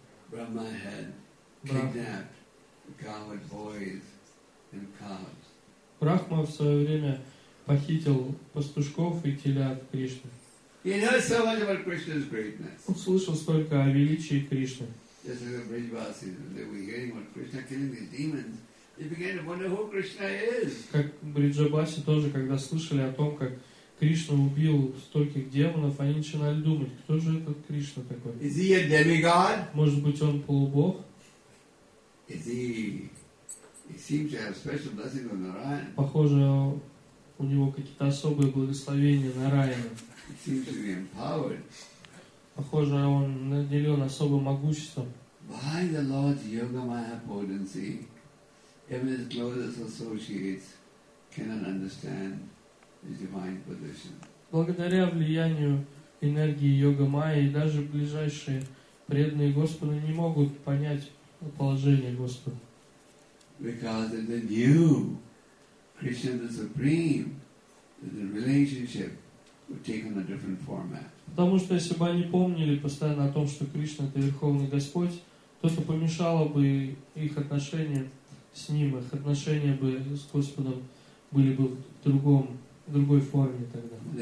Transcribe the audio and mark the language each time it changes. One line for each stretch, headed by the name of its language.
English: Brahma had kidnapped cowherd boys and calves.
Russian: Брахма в свое время похитил пастушков и телят Кришны.
English: He knows so much about Krishna's greatness.
Russian: Он слышал столько о величии Кришны.
English: Just like the Brijbasis, when they were hearing about Krishna killing these demons. They began to wonder who Krishna is.
Russian: Как Бриджабаси тоже, когда слышали о том, как Кришна убил стольких демонов, они начинали думать, кто же этот Кришна такой?
English: Is he a demigod?
Russian: Может быть, он полубог?
English: Is he? He seems to have special blessings on Narayana.
Russian: Похоже, у него какие-то особые благословения на Нараяна.
English: He seems to be empowered.
Russian: Похоже, он наделен особым могуществом.
English: By the Lord's yoga maya potency. Even his closest associates cannot understand his divine position.
Russian: Благодаря влиянию энергии йога майи, даже ближайшие преданные Господа не могут понять положение Господа.
English: Because if they knew Krishna the Supreme, then the relationship would take on a different format.
Russian: Потому что если бы они помнили постоянно о том, что Кришна — это Верховный Господь, то это помешало бы их отношениям с ним, их отношения бы с Господом были бы в другой форме тогда.